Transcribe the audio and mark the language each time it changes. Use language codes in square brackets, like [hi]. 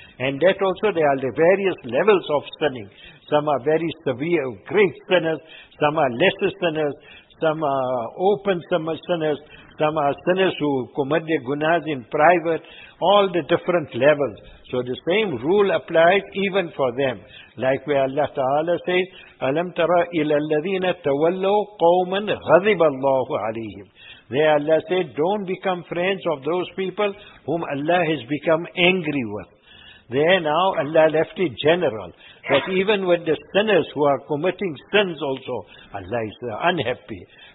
[en] And that also, there are the various levels of sinning. Some are very severe, great sinners. Some are lesser sinners. some are open, some are sinners, some are sinners who commit their gunas in private, all the different levels. So the same rule applies even for them. Like where Allah Ta'ala says, [ar] أَلَمْ تَرَى إِلَى الَّذِينَ تَوَلَّوْا قَوْمًا غَضِبَ اللَّهُ عَلَيْهِمْ. [en] There Allah said, don't become friends of those people whom Allah has become angry with. There now Allah left it general. That even with the sinners who are committing sins also, Allah is unhappy.